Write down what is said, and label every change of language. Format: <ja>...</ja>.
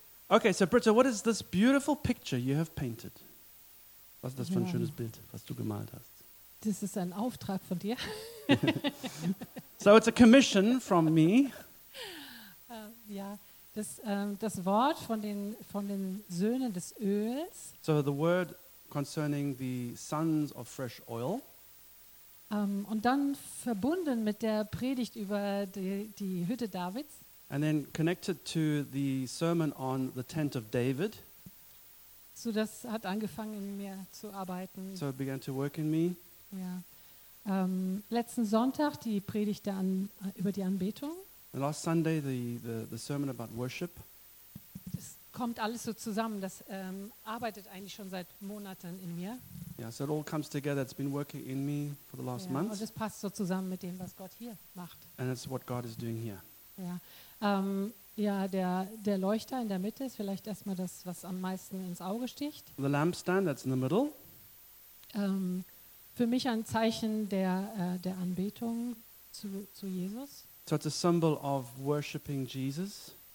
<en>Okay, so Britta, what is this beautiful picture you have painted?</en> <de>Was ist das für ein schönes Bild, was du gemalt hast? Das ist ein Auftrag von dir.</de> <en>So it's a commission from me.</en> <de>Das Wort von den Söhnen des Öls.</de> <en>So the word concerning the sons of fresh oil.</en> <de>Und dann verbunden mit der Predigt über die Hütte Davids.</de> <en>And then connected to the sermon on the tent of David.</en> <de>So das hat angefangen in mir zu arbeiten.</de> <en>So it began to work in me.</en> <de>Ja. Letzten Sonntag die Predigt über die Anbetung.</de> <en>The last Sunday the sermon about worship.</en> <de>Das kommt alles so zusammen, das arbeitet eigentlich schon seit Monaten in mir.</de> <en>Yeah, so it all comes together. It's been working in me for the last month.</en> <de>Und es passt so zusammen mit dem, was Gott hier macht.</de> <en>And it's what God is doing here.</en> <de>Ja. Der Leuchter in der Mitte ist vielleicht erstmal das, was am meisten ins Auge sticht.</de> <en>The lampstand that's in the middle.</en> <de>Für mich ein Zeichen der Anbetung zu Jesus.</de> <en>So it's a symbol of worshiping Jesus.</en>